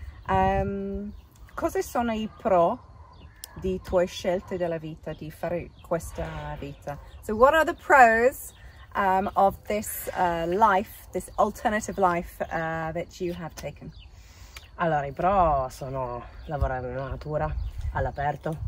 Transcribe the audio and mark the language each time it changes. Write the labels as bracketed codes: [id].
[it] Cosa sono I pro di tue scelte della vita, di fare questa vita? [en] So what are the pros of this life, this alternative life that you have taken? [it] Allora, I pro sono lavorare nella natura, all'aperto.